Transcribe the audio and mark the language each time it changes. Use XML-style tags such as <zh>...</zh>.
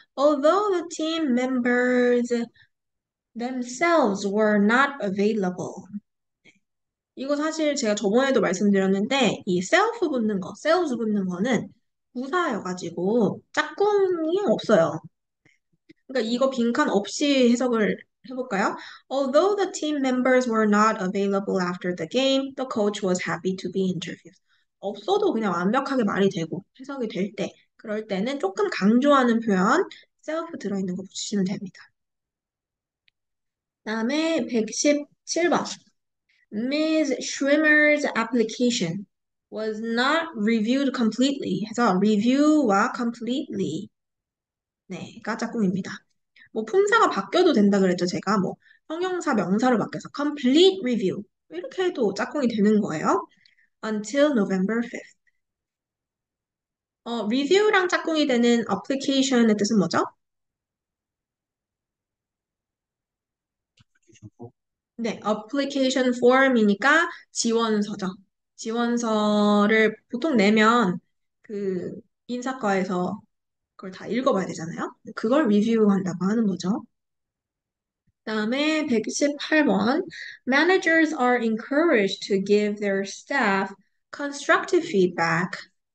<en>Although the team members themselves were not available.</en> <ko>이거 사실 제가 저번에도 말씀드렸는데, 이 self 붙는 거, sales 붙는 거는 부사여가지고 짝꿍이 없어요. 그러니까 이거 빈칸 없이 해석을 해볼까요?</ko> <en>Although the team members were not available after the game, the coach was happy to be interviewed.</en> <ko>없어도 그냥 완벽하게 말이 되고 해석이 될 때, 그럴 때는 조금 강조하는 표현, self 들어있는 거 붙이시면 됩니다. 다음에 117번. Ms.</ko> <en>Schwimmer's application was not reviewed completely.</en> <ko>해서 review와 completely. 네,가 짝꿍입니다. 뭐 품사가 바뀌어도 된다 그랬죠, 제가. 뭐 형용사, 명사로 바뀌어서 complete review. 이렇게 해도 짝꿍이 되는 거예요.</ko> <en>Until November 5th.</en> <ko>review랑 짝꿍이 되는 application의 뜻은 뭐죠? 네, application form이니까 지원서죠. 지원서를 보통 내면 그 인사과에서 그걸 다 읽어봐야 되잖아요. 그걸 리뷰한다고 하는 거죠. 다음에 118번.</ko> <en>Managers are encouraged to give their staff constructive feedback.</en>